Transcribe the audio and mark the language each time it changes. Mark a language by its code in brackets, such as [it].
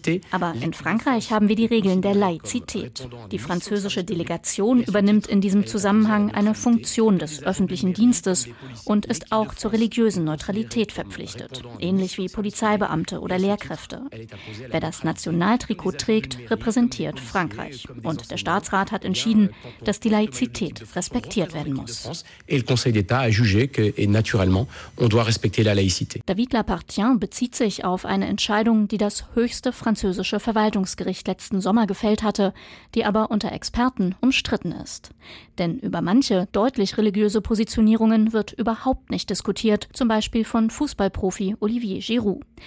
[de] Aber in Frankreich haben wir die Regeln der Laïcität. Die französische Delegation übernimmt in diesem Zusammenhang eine Funktion des öffentlichen Dienstes und ist auch zur religiösen Neutralität verpflichtet, ähnlich wie Polizeibeamte oder Lehrkräfte. Wer das Nationaltrikot trägt, repräsentiert Frankreich. Und der Staatsrat hat entschieden, dass die Laïcität respektiert werden muss. [fr] À juger que, et naturellement, on doit respecter la laïcité. [de] David Lapartien bezieht sich auf eine Entscheidung, die das höchste französische Verwaltungsgericht letzten Sommer gefällt hatte, die aber unter Experten umstritten ist. Denn über manche deutlich religiöse Positionierungen wird überhaupt nicht diskutiert, zum Beispiel von Fußballprofi Olivier Giroud.